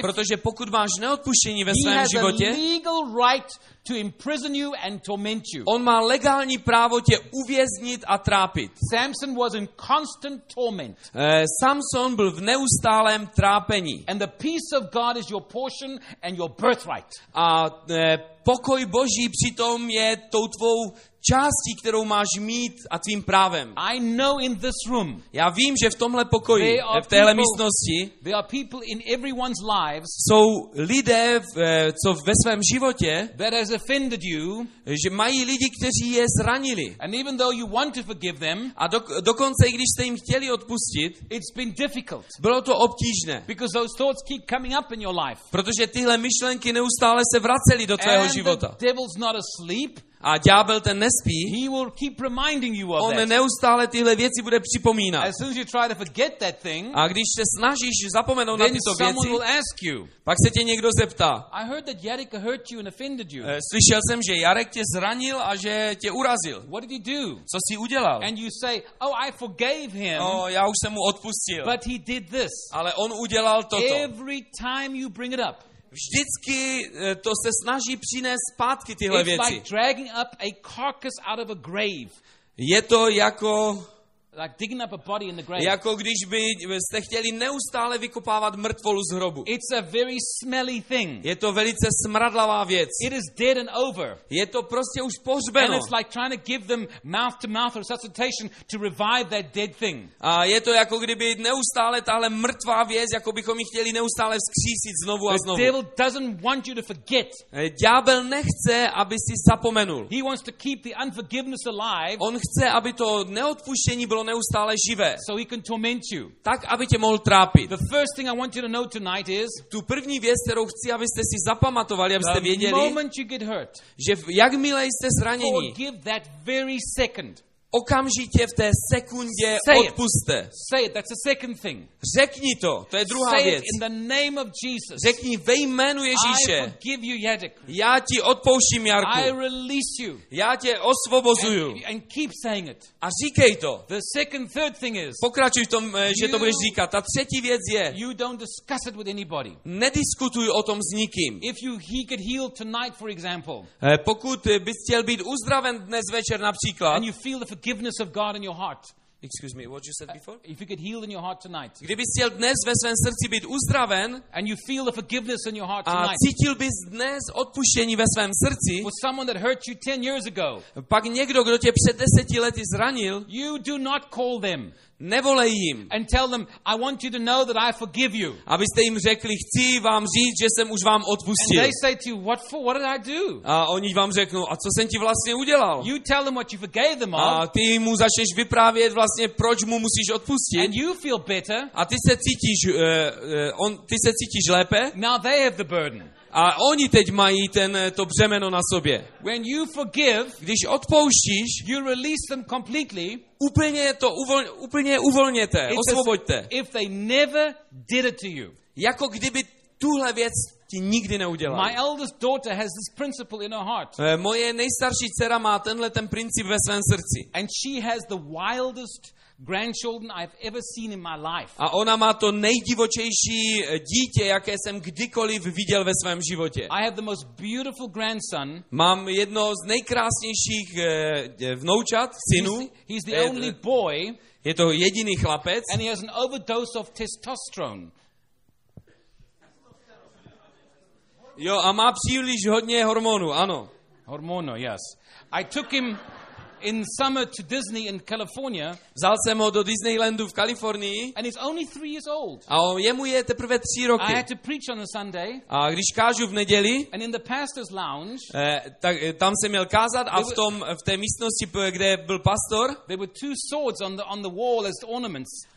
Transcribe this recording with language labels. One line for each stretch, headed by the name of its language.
Czech: protože pokud máš neodpuštění ve svém životě,
English: he has a legal right to imprison you and torment you.
Czech: On má legální právo tě uvěznit a trápit.
English: Samson was in constant torment.
Czech: Samson byl v neustálém trápení.
English: And the peace of God is your portion and your birthright.
Czech: A pokoj Boží přitom je tou tvou částí, kterou máš mít a tvým právem.
English: I know in this room,
Czech: já vím, že v tomhle pokoji, v téhle místnosti,
English: there are people in everyone's lives,
Czech: jsou lidé, co ve svém životě,
English: that has offended you,
Czech: že mají lidi, kteří je zranili.
English: And even though you want to forgive them,
Czech: a dokonce, i když jste jim chtěli odpustit,
English: it's been difficult,
Czech: bylo to obtížné.
English: Because those thoughts keep coming up in your life.
Czech: Protože tyhle myšlenky neustále se vracely do tvého
English: and
Czech: života.
English: And the devil's not asleep.
Czech: A ďábel ten nespí.
English: He will keep reminding you of
Czech: on
English: that.
Czech: Neustále tyhle věci bude připomínat.
English: As soon as you try to forget that thing,
Czech: a když se snažíš zapomenout
English: then
Czech: na tyto věci,
English: will ask you,
Czech: pak se tě někdo zeptá.
English: I heard that Jarek hurt you and offended you.
Czech: Slyšel jsem, že Jarek tě zranil a že tě urazil.
English: What did he do?
Czech: Co jsi udělal?
English: And you say, oh, I forgave him.
Czech: No, já už jsem mu odpustil.
English: But he did this.
Czech: Ale on udělal toto.
English: Every time you bring it up.
Czech: Vždycky to se snaží přinést zpátky tyhle
English: it's
Czech: věci.
English: Like dragging up a carcass out of a grave.
Czech: Je to jako
English: Like digging up a body in the grave.
Czech: Jako když byste chtěli neustále vykopávat mrtvolu z hrobu.
English: It's a very smelly thing.
Czech: Je to velice smradlavá věc.
English: It is dead and over.
Czech: Je to prostě už pohřbeno.
English: And it's like trying to give them mouth to mouth resuscitation to revive that dead thing.
Czech: A je to jako kdyby neustále tahle mrtvá věc, jako bychom ji chtěli neustále vzkřísit znovu a znovu.
English: The devil doesn't want you to forget.
Czech: Ďábel nechce, aby si zapomenul.
English: He wants to keep the unforgiveness alive.
Czech: On chce, aby to neodpuštění bylo neustále živé.
English: So he can torment you.
Czech: Tak, aby tě mohl trápit.
English: The first thing I want you to know tonight is,
Czech: tu první věc, kterou chci, abyste si zapamatovali, abyste věděli,
English: you get hurt,
Czech: že jakmile jste zranění,
English: give that very second,
Czech: okamžitě v té sekundě odpuste.
English: Say it, that's a second thing.
Czech: Řekni to, to je druhá
English: say
Czech: věc.
English: It in the name of Jesus.
Czech: Řekni ve jménu Ježíše.
English: I forgive you, Jadek.
Czech: Já ti odpouštím, Jarku.
English: I release you.
Czech: Já tě osvobozuju.
English: And keep saying it.
Czech: A říkej to.
English: The second, third thing is,
Czech: pokračuj v tom, že to budeš říkat. Ta třetí věc je,
English: you don't discuss it with anybody.
Czech: Nediskutuj o tom s nikým.
English: If you, he could heal tonight, for example,
Czech: pokud bys chtěl být uzdraven dnes večer například,
English: and you feel the forgiveness of God in your heart. Excuse me, what you said before? If you could heal in your heart tonight.
Czech: Kdybys chtěl dnes ve svém srdci být uzdraven,
English: and you feel the forgiveness in your heart tonight.
Czech: A cítil bys dnes odpuštění ve svém srdci.
English: For someone that hurt you 10 years ago.
Czech: Pak někdo, kdo tě před 10 lety zranil.
English: You do not call them.
Czech: Nevolej jim.
English: And tell them, I want you to know that I forgive you.
Czech: Abyste jim řekli, chci vám říct, že jsem už vám odpustil.
English: And they say to you, what for? What did I do?
Czech: A oni vám řeknou, a co jsem ti vlastně udělal?
English: You tell them what you forgave them of.
Czech: A ty mu začneš vyprávět vlastně, proč mu musíš odpustit.
English: And you feel better.
Czech: A ty se cítíš lépe.
English: Now they have the burden.
Czech: A oni teď mají to břemeno na sobě.
English: When you forgive,
Czech: když odpouštíš,
English: you release them completely.
Czech: Úplně uvolněte, osvoboďte.
English: If they never did it to you.
Czech: Jako kdyby tuhle věc ti nikdy neudělal.
English: My eldest daughter has this principle in her heart.
Czech: Moje nejstarší dcera má ten princip ve svém srdci.
English: And she has the wildest grandchildren I've ever seen in my life.
Czech: A ona má to nejdivočejší dítě, jaké jsem kdykoliv viděl ve svém životě.
English: I have the most beautiful grandson.
Czech: Mám jedno z nejkrásnějších vnoučat, synu.
English: He's the only boy.
Czech: Je to jediný chlapec.
English: And he has an overdose of testosterone.
Czech: Jo, a má příliš hodně hormonů, ano. Hormonů,
English: yes. I took him in summer to Disney in California.
Czech: Vzal jsem ho do Disneylandu v Kalifornii.
English: And he's only 3 years old.
Czech: A jemu je teprve 3 roky.
English: I had to preach on a Sunday.
Czech: A když kážu v neděli.
English: And in the pastor's lounge.
Czech: Tak tam jsem měl kázat a v té místnosti, kde byl pastor.
English: There were two swords on the wall as ornaments.